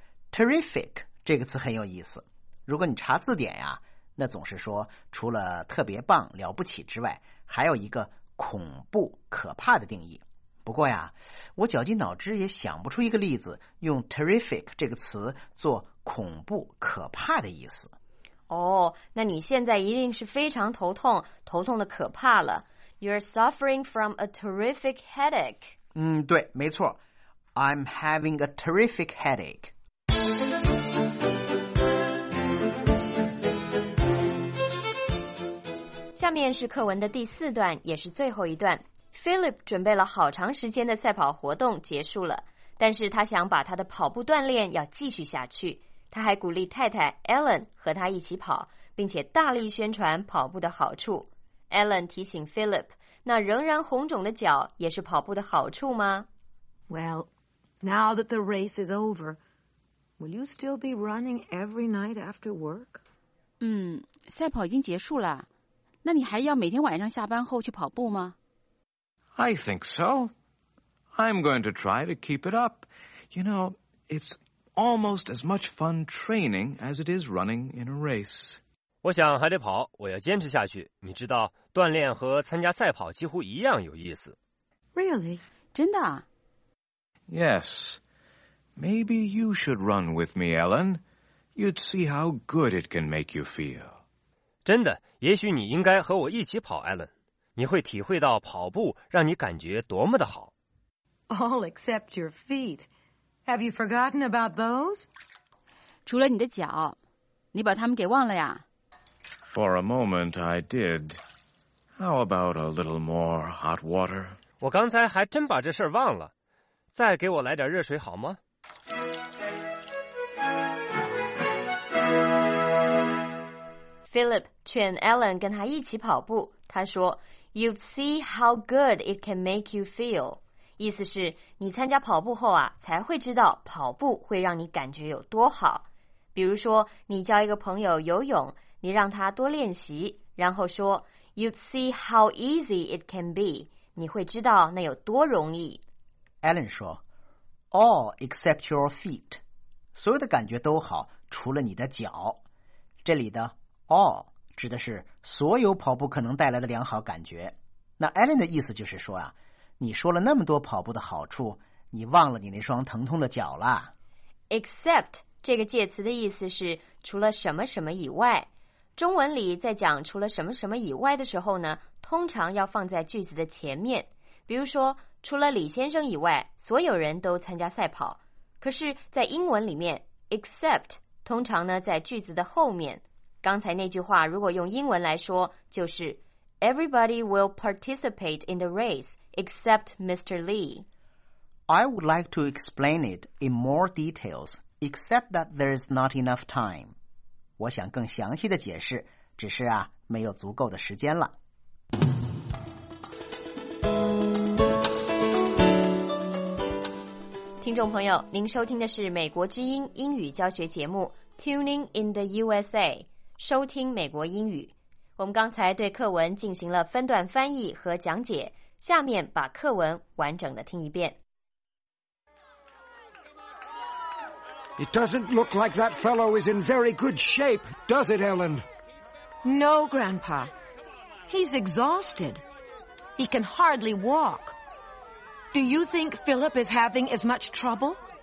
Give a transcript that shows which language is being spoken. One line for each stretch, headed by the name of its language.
Chinese: Terrific 这个词很有意思。如果你查字典呀,那总是说除了特别棒,了不起之外,还有一个恐怖,可怕的定义。不过呀,我绞尽脑汁也想不出一个例子用 terrific 这个词做恐怖,可怕的意思。哦、oh, ，那你现在一定是非常头痛，头痛的可怕了。
English: You're suffering from a terrific headache.
Chinese: 嗯，对，没错。
English: I'm having a terrific headache.
Chinese: 下面是课文的第四段，也是最后一段。Philip 准备了好长时间的赛跑活动结束了，但是他想把他的跑步锻炼要继续下去。他还鼓励太太 Ellen 和他一起跑，并且大力宣传跑步的好处。 Ellen 提醒 Philip， 那仍然红肿的脚也是跑步的好处吗
English: ？Well, now that the race is over, will you still be running every night after work？
Chinese: 嗯，赛跑已经结束了，那你还要每天晚上下班后去跑步吗
English: ？I think so. I'm going to try to keep it up. You know, it's. Almost as much fun training as it is running in a race.
Chinese: 我想还得跑，我要坚持下去。你知道，锻炼和参加赛跑几乎一样有意思。
English: Really?
Chinese: 真的？
English: Yes. Maybe you should run with me, Ellen. You'd see how good it can make you feel.
Chinese: 真的，也许你应该和我一起跑， Ellen. 你会体会到跑步让你感觉多么的好。
English: All except your feet. Have you forgotten about those?
Chinese: 除了你的脚，你把它们给忘了呀
English: ？For a moment, I did. How about a little more hot water?
Chinese: 我刚才还真把这事儿忘了，再给我来点热水好吗？ Philip 劝 Ellen 跟他一起跑步，他说 ：
English: “You'd see how good it can make you feel.”
Chinese: 意思是你参加跑步后啊才会知道跑步会让你感觉有多好比如说你教一个朋友游泳你让他多练习然后说
English: You'd see how easy it can be
Chinese: 你会知道那有多容易 Alan 说
English: All except your feet
Chinese: 所有的感觉都好除了你的脚这里的 all 指的是所有跑步可能带来的良好感觉那 Alan 的意思就是说啊你说了那么多跑步的好处，你忘了你那双疼痛的脚了。 Except 这个介词的意思是除了什么什么以外。中文里在讲除了什么什么以外的时候呢，通常要放在句子的前面。比如说，除了李先生以外，所有人都参加赛跑。可是，在英文里面 ，except 通常呢在句子的后面。刚才那句话如果用英文来说，就是
English: Everybody will participate in the race. Except Mr. Lee. I would like to explain it in more details, except that there is not enough time.
Chinese: 我想更详细的解释，只是啊，没有足够的时间了。听众朋友，您收听的是美国之音英语教学节目 Tuning in the USA。收听美国英语。我们刚才对课文进行了分段翻译和讲解，下面把课文完整的听一遍。
English: It doesn't look like that fellow is in very good shape, does it, Ellen? No, Grandpa. He's exhausted. He can hardly walk. Do you think Philip is having as much trouble?